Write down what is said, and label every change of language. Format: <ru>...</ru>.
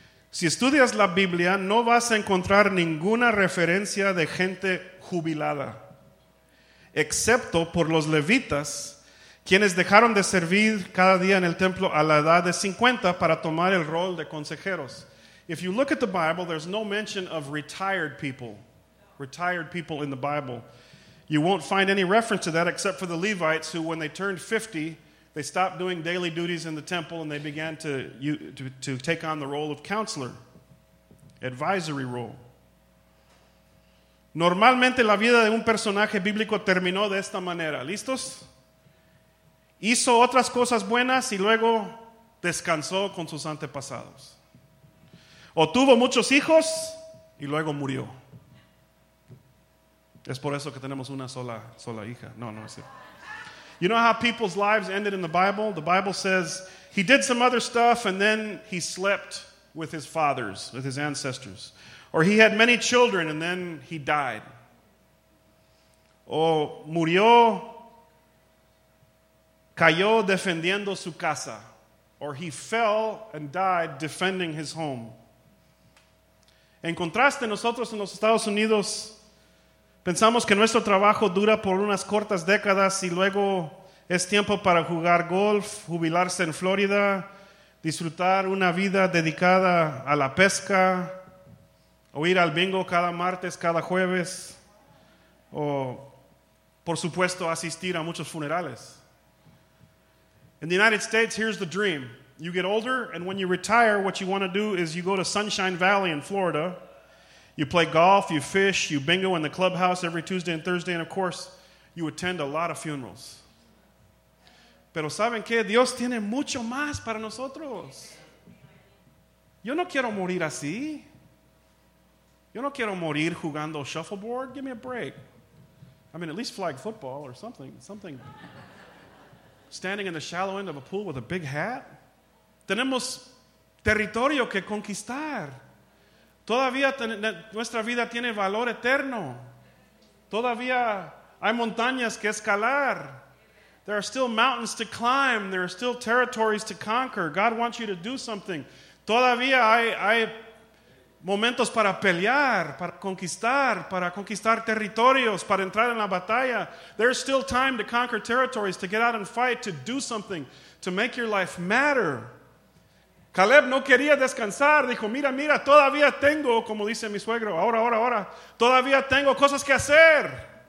<es>Si estudias la Biblia, no vas a encontrar ninguna referencia de gente jubilada, excepto por los levitas, quienes dejaron de servir cada día en el templo a la edad de 50 para tomar el rol de consejeros.</es> <en>If you look at the Bible, there's no mention of retired people in the Bible. You won't find any reference to that except for the Levites who, when they turned 50, they stopped doing daily duties in the temple and they began to take on the role of counselor, advisory role.</en> <es>Normalmente la vida de un personaje bíblico terminó de esta manera. ¿Listos? Hizo otras cosas buenas y luego descansó con sus antepasados. O tuvo muchos hijos y luego murió. Es por eso que tenemos una sola hija. No, es cierto.</es> <en>You know how people's lives ended in the Bible? The Bible says he did some other stuff and then he slept with his fathers, with his ancestors. Or he had many children and then he died.</en> <es>O murió, cayó defendiendo su casa.</es> <en>Or he fell and died defending his home.</en> <es>En contraste, nosotros en los Estados Unidos pensamos que nuestro trabajo dura por unas cortas décadas y luego es tiempo para jugar golf, jubilarse en Florida, disfrutar una vida dedicada a la pesca, o ir al bingo cada martes, cada jueves, o, por supuesto, asistir a muchos funerales.</es> <en>In the United States, here's the dream. You get older, and when you retire, what you want to do is you go to Sunshine Valley in Florida. You play golf, you fish, you bingo in the clubhouse every Tuesday and Thursday, and of course, you attend a lot of funerals.</en> <es>Pero ¿saben qué? Dios tiene mucho más para nosotros. Yo no quiero morir así. Yo no quiero morir jugando shuffleboard.</es> <en>Give me a break. I mean, at least flag football or something. Something. Standing in the shallow end of a pool with a big hat.</en> <es>Tenemos territorio que conquistar. Todavía nuestra vida tiene valor eterno. Todavía hay montañas que escalar.</es> <en>There are still mountains to climb. There are still territories to conquer. God wants you to do something.</en> <es>Todavía hay momentos para pelear, para conquistar territorios, para entrar en la batalla.</es> <en>There's still time to conquer territories, to get out and fight, to do something, to make your life matter.</en> <es>Caleb no quería descansar. Dijo, mira, todavía tengo, como dice mi suegro, ahora, todavía tengo cosas que hacer.</es>